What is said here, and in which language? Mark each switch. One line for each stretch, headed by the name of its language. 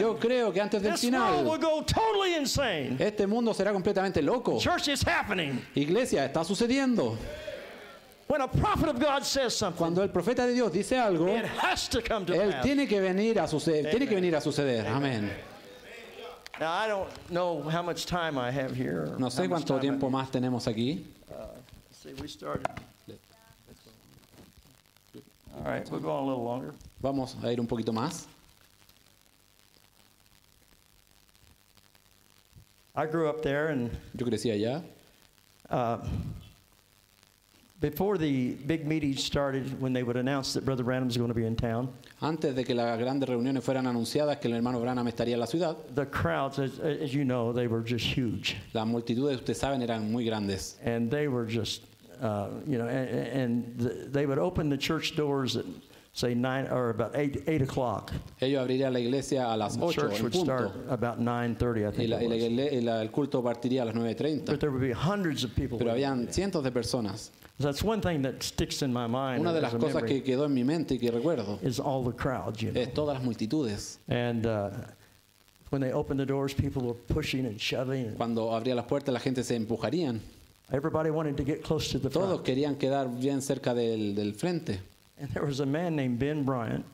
Spanish: yo creo que antes del final,
English: this world will go totally insane.
Spanish: Este mundo será completamente loco.
English: Church is happening.
Spanish: Iglesia, está sucediendo.
English: When a prophet of God says something,
Spanish: cuando el profeta de Dios dice algo,
English: it has to come to
Spanish: pass. Él tiene que venir a suceder. Amén.
English: Now, I don't know how much time I have here.
Spanish: No sé cuánto tiempo más tenemos aquí.
English: We started. All right, we'll go on a little longer.
Spanish: Vamos a ir un poquito más.
English: I grew up there, and
Spanish: yo crecí allá.
English: Before the big meetings started, when they would announce that Brother Branham is going to be in town,
Spanish: antes de que las grandes reuniones fueran anunciadas que el hermano Branham estaría en la ciudad,
English: the crowds, as you know, they were just huge.
Spanish: Las multitudes, ustedes saben, eran muy grandes.
English: And they were just, they would open the church doors at, say, about eight o'clock.
Spanish: Ellos abrirían la iglesia a las 8 en punto.
English: Church would start about 9:30, I think.
Spanish: El culto partiría a las 9:30.
English: But there would be hundreds of people.
Spanish: Pero habían cientos de personas.
English: That's one thing that sticks in my mind.
Spanish: Una de las cosas que quedó en mi mente y que recuerdo
English: is all the crowds, you know.
Spanish: Es todas las multitudes.
English: And when they opened the doors, people were pushing and shoving.
Spanish: Cuando abría las puertas, la gente se empujarían.
English: Everybody wanted to get close to the front.
Spanish: Todos querían quedar bien cerca del frente.
English: And there was a man named Ben Bryant.